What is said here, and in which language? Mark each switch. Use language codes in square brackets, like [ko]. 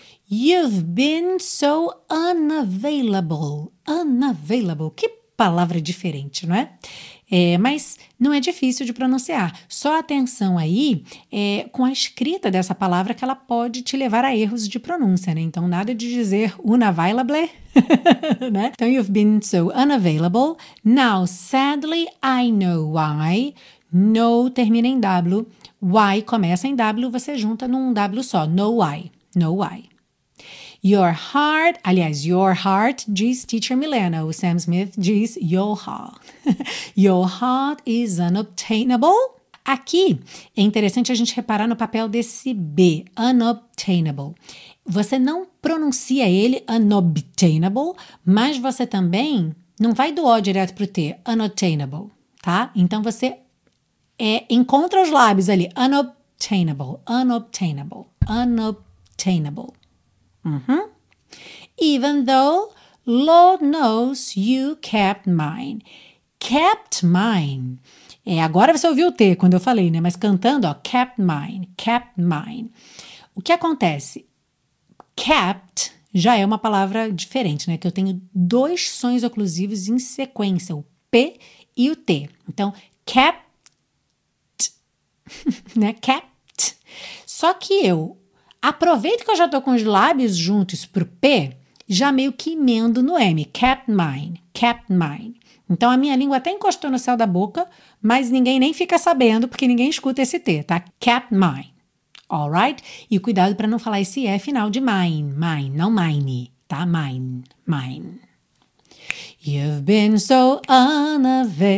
[en] You've been so unavailable. Unavailable. [pt] Que palavra diferente, não é? É, mas não é difícil de pronunciar. Só atenção aí com a escrita dessa palavra, que ela pode te levar a erros de pronúncia, né? Então, nada de dizer unavailable, né? [en] Então, you've been so unavailable. Now, sadly, I know why. No termina em W. [pt] Why começa em W, você junta num W só. [en] No why. No why. Your heart, aliás, your heart, diz teacher Milena. O Sam Smith diz your heart. Your heart is unobtainable. [pt] Aqui, é interessante a gente reparar no papel desse B, unobtainable. Você não pronuncia ele unobtainable, mas você também não vai do O direto para o T, unobtainable, tá? Então, você encontra os lábios ali, unobtainable, unobtainable, unobtainable. Uhum. [en] Even though, Lord knows, you kept mine. Kept mine. [pt] Agora você ouviu o T quando eu falei, né? [en] Mas cantando, ó, kept mine, kept mine. [pt] O que acontece? Kept já é uma palavra diferente, né? Que eu tenho dois sons oclusivos em sequência, o P e o T. Então, kept, né? Kept. Só que eu aproveito que eu já tô com os lábios juntos pro P, já meio que emendo no M. Kept mine, kept mine. Então, a minha língua até encostou no céu da boca, mas ninguém nem fica sabendo, porque ninguém escuta esse T, tá? Kept mine, alright? E cuidado para não falar esse E final de mine, mine, não mine, tá? [en] Mine, mine. You've been so unavailable.